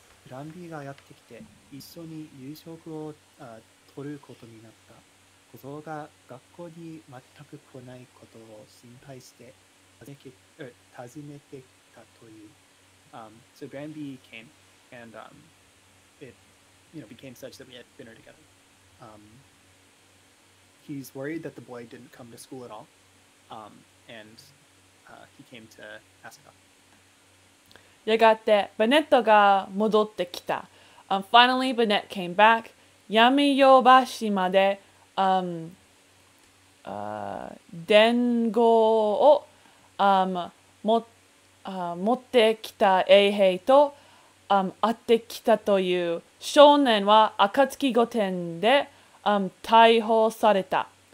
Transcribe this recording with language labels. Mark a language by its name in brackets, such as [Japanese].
[Japanese] ランディがやってきて、一緒に夕食を取ることになった。小僧が学校に全く来ないことを心配して訪ねてきたという。 [English] So Granby came, and it, you know, became such that we had dinner together. He's worried that the boy didn't come to school at all, he came to ask about. [Japanese] やがて、バネットが戻ってきた。 [English] Finally, Bennett came back. [Japanese] 闇夜橋まで、伝言を、持ってきた衛兵と、会ってきたという少年は暁御殿で、逮捕された。